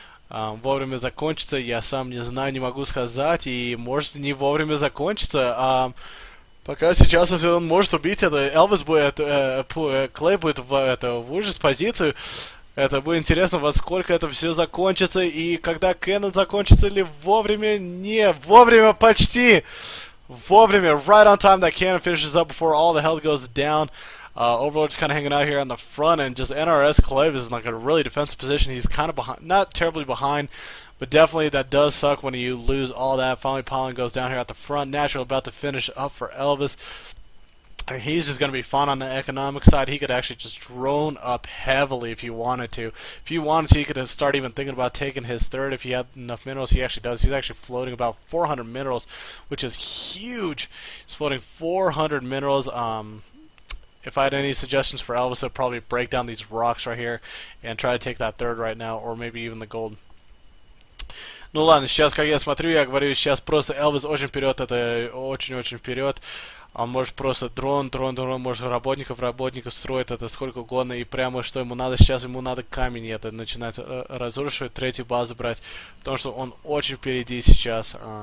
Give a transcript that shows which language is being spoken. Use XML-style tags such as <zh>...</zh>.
<ru>Вовремя закончится, я сам не знаю, не могу сказать, и может не вовремя закончится. Пока сейчас, если он может убить, это Элвис будет... Клей будет в ужас позицию. Это будет интересно, во сколько это все закончится, и когда Кэнон закончится ли вовремя? Не, вовремя, почти!</ru> <en>Вовремя, right on time, that cannon finishes up before all the health goes down. Overlord's kind of hanging out here on the front, and just NRS Clave is in like a really defensive position. He's kind of behind, not terribly behind, but definitely that does suck when you lose all that. Finally, Pollen goes down here at the front, natural about to finish up for Elvis. And he's just going to be fine on the economic side. He could actually just drone up heavily if he wanted to. If he wanted to, he could start even thinking about taking his third if he had enough minerals. He actually does. He's actually floating about 400 minerals, which is huge. He's floating 400 minerals. If I had any suggestions for Elvis, I'd probably break down these rocks right here and try to take that third right now, or maybe even the gold.</en> <ru>Ну ладно, сейчас, как я смотрю, я говорю, сейчас просто Elvis очень вперед, это очень-очень вперед. Он может просто дрон, может работников строить, это сколько угодно, и прямо что ему надо, сейчас ему надо камень, это начинать разрушивать, третью базу брать, потому что он очень впереди сейчас.</ru>